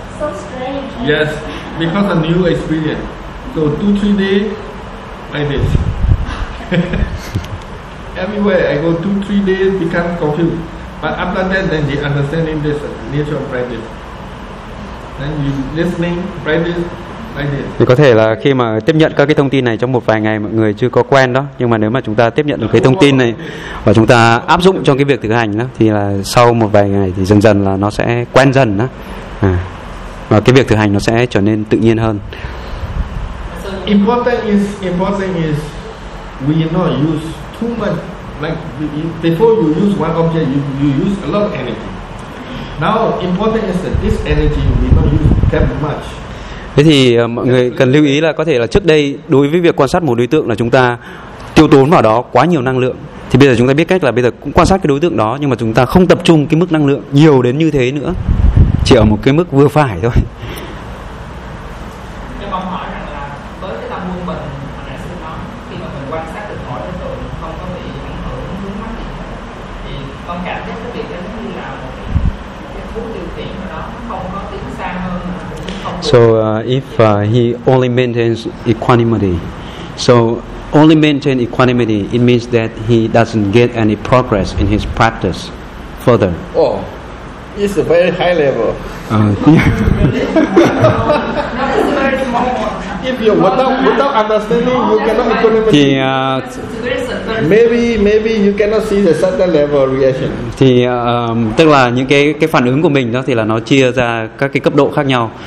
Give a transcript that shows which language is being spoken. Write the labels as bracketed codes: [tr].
[en] So strange. Yes, because a new experience. So 2-3 days. Like this. Everywhere I go 2-3 days become confused. But after that then they understanding this nature of practice. Then you listening, practice. [vi] Thì có thể là khi mà tiếp nhận các cái thông tin này trong một vài ngày mọi người chưa có quen đó, nhưng mà nếu mà chúng ta tiếp nhận được cái thông tin này và chúng ta áp dụng trong cái việc thực hành đó thì là sau một vài ngày thì dần dần là nó sẽ quen dần đó, và cái việc thực hành nó sẽ trở nên tự nhiên hơn. [en] Important is we not use too much, like before you use one object you use a lot of energy. Now important is that this energy we not use that much. [vi] Thế thì mọi người cần lưu ý là có thể là trước đây đối với việc quan sát một đối tượng là chúng ta tiêu tốn vào đó quá nhiều năng lượng. Thì bây giờ chúng ta biết cách là bây giờ cũng quan sát cái đối tượng đó, nhưng mà chúng ta không tập trung cái mức năng lượng nhiều đến như thế nữa, chỉ ở một cái mức vừa phải thôi. [en] So if he only maintains equanimity, so only maintain equanimity, it means that he doesn't get any progress in his practice further. Oh, it's a very high level. That is a very small one. If you without understanding, you cannot equilibrate. [vi] Thì [en] maybe you cannot see the certain level of reaction. [vi] Thì tức là những cái phản ứng của mình đó thì là nó chia ra các cái cấp độ khác nhau.